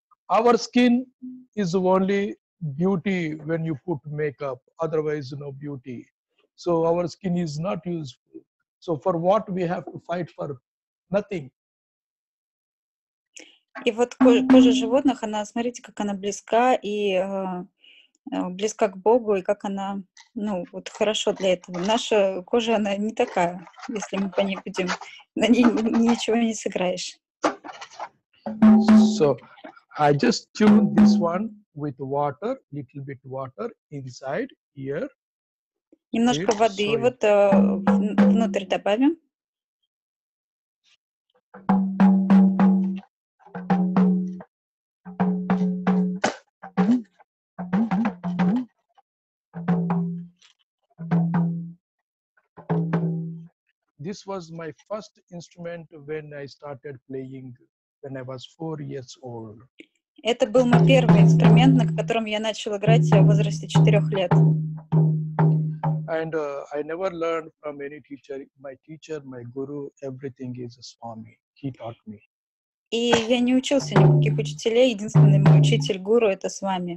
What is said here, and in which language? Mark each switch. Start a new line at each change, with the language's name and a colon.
English: Our skin is only beauty when you put makeup, otherwise no beauty. So our skin is not useful. So for what we have to fight for? Nothing.
Russian: И вот кожа животных, она, смотрите, как она близка, и близка к Богу, и как она, ну, вот хорошо для этого. Наша кожа, она не такая, если мы по ней будем. На ней ничего не сыграешь.
English: So, I just tune this one with water, little bit water inside here.
Russian: Немножко воды вот внутрь добавим.
English: This was my first instrument when I started playing when I was 4 years old.
Russian: Это был мой первый инструмент, на котором я начал играть в возрасте 4 лет.
English: And I never learned from any teacher, my guru, everything is a Swami. He taught me.
Russian: И я не учился ни у каких учителей, единственный мой учитель, гуру, это с вами.